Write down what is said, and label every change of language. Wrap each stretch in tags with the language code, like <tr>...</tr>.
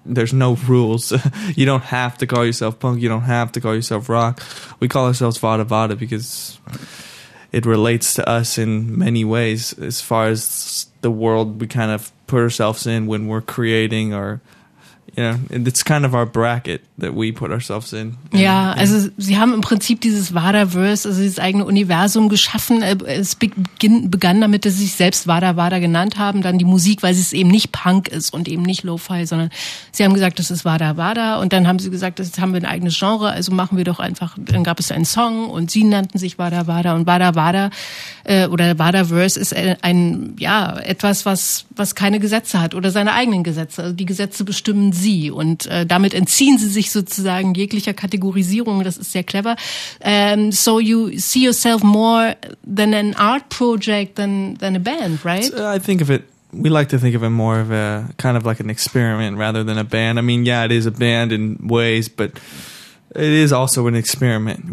<en>There's no rules. You don't have to call yourself punk, you don't have to call yourself rock. We call ourselves Vada Vada because it relates to us in many ways, as far as the world we kind of put ourselves in when we're creating, or, you know, it's kind of our bracket that we put ourselves in.</en> <de>Ja, also sie haben im Prinzip dieses Vadaverse, also dieses eigene Universum geschaffen. Es begann damit, dass sie sich selbst Vada Vada genannt haben, dann die Musik, weil es eben nicht Punk ist und eben nicht Lo-Fi, sondern sie haben gesagt, das ist Vada Vada, und dann haben sie gesagt, jetzt haben wir ein eigenes Genre, also machen wir doch einfach, dann gab es einen Song und sie nannten sich Vada Vada, und Vada Vada oder Vadaverse ist ein, ja, etwas, was keine Gesetze hat oder seine eigenen Gesetze. Also die Gesetze bestimmen sie, und damit entziehen sie sich sozusagen jeglicher Kategorisierung. Das ist sehr clever.</de> <en>So you see yourself more than an art project than a band, right? I think of it, we like to think of it more of a kind of like an experiment rather than a band. I mean, yeah, it is a band in ways, but it is also an experiment.</en>